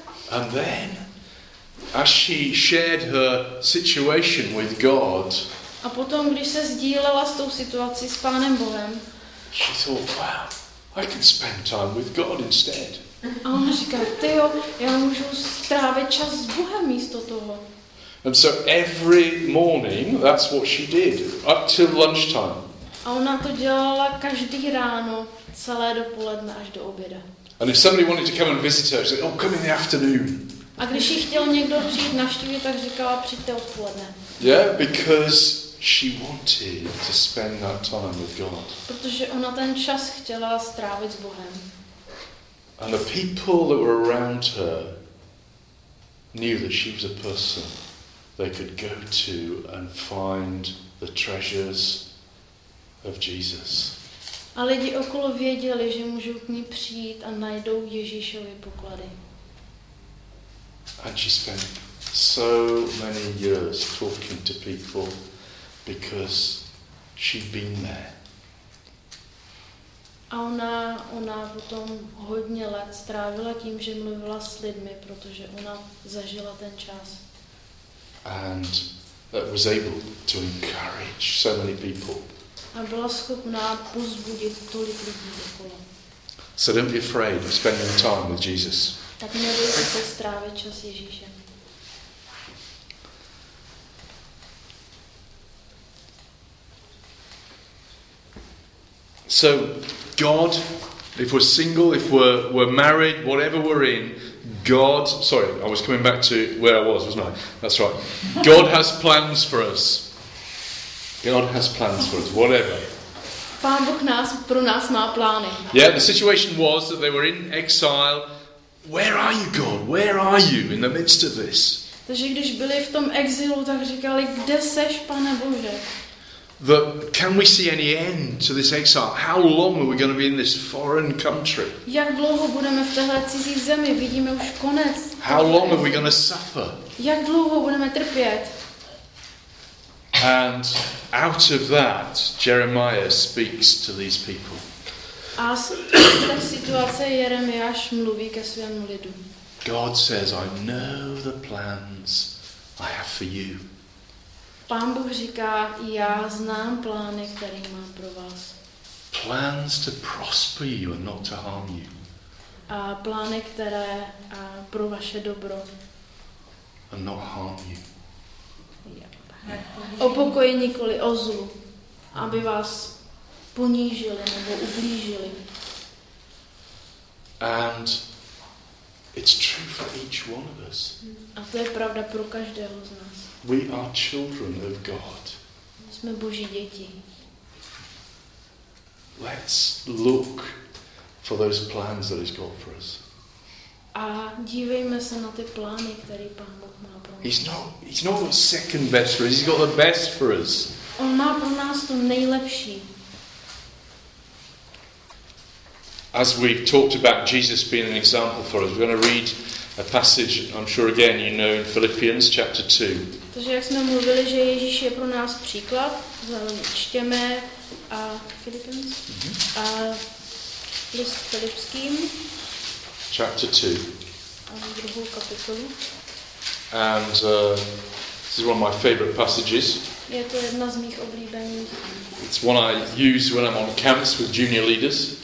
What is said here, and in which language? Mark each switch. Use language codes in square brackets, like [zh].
[en] And then, as she shared her situation with God, [cs] a potom, když se sdílela s tou situací s Pánem Bohem, [en] she thought, wow, I can spend time with God instead. [cs] A ona říká, tyjo, já můžu strávit čas s Bohem místo toho. [en] And so every morning, that's what she did, up till lunchtime. [cs] A ona to dělala každý ráno, celé dopoledne až do oběda. [en] And if somebody wanted to come and visit her, she said, oh, come in the afternoon. [cs] A když jí chtěl někdo přijít navštívit, tak říkala, přijďte odpoledne. [en] Yeah, because she wanted to spend that time with God. [cs] Protože ona ten čas chtěla strávit s Bohem. [en] And the people that were around her knew that she was a person they could go to and find the treasures of Jesus. [cs] A lidi okolo věděli, že můžou k ní přijít a najdou Ježíšovy poklady. [en] And she spent so many years talking to people because she'd been there. [cs] A ona potom hodně let strávila tím, že mluvila s lidmi, protože ona zažila ten čas. [en] And that was able to encourage so many people. [cs] A byla schopná povzbudit tolik lidí okolo. [en] So don't be afraid of spending time with Jesus. [cs] Tak nebojte se strávit čas s Ježíšem. [en] So God, if we're single, if we're married, whatever we're in, God, sorry, I was coming back to where I was, wasn't I? That's right. God has plans for us. God has plans for us, whatever. [cs] Pán Bůh pro nás má plány. [en] Yeah, the situation was that they were in exile. Where are you, God? Where are you in the midst of this? [cs] Takže když byli v tom exilu, tak říkali, kde seš, Pane Bože? [en] That can we see any end to this exile? How long are we going to be in this foreign country? [cs] Jak dlouho budeme v téhle cizí zemi? Vidíme už konec. [en] How long are we going to suffer? [cs] Jak dlouho budeme trpět? [en] And out of that, Jeremiah speaks to these people. [cs] A z té situace Jeremiáš mluví ke svému lidu. [en] God says, I know the plans I have for you. [cs] Pán Bůh říká, já znám plány, které mám pro vás. [en] Plans to prosper you and not to harm you. [cs] A plány, které a pro vaše dobro. [en] And not harm you. [cs] O pokoji nikoli o zlu, aby vás ponížili nebo ublížili. [en] And it's true for each one of us. [cs] A to je pravda pro každého z nás. [en] We are children of God. [cs] Jsme Boží děti. [en] Let's look for those plans that He's got for us. [cs] A dívejme se na ty plány, které Pán Bůh má pro nás. [en] He's not the second best for us. He's got the best for us. [cs] On má pro nás to nejlepší. [en] As we've talked about Jesus being an example for us, we're going to read a passage, I'm sure again you know, in Philippians chapter 2. [cs] Takže jak jsme mluvili, že Ježíš je pro nás příklad, čteme a Philippians a list Filipským. [en] Chapter 2. [cs] A druhou kapitolu. [en] And this is one of my favorite passages. [cs] Je to jedna z mých oblíbených. [en] It's one I use when I'm on campus with junior leaders.